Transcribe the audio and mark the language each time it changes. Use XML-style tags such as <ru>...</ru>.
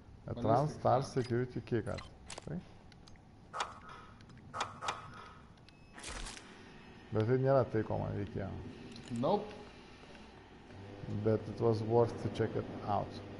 <en>Atrans, tars, security, keycard.</en> <lt>Tai? Bet tai nėra tai, ko man reikėjo.</lt> <en>Nope. But it was worth to check it out.</en>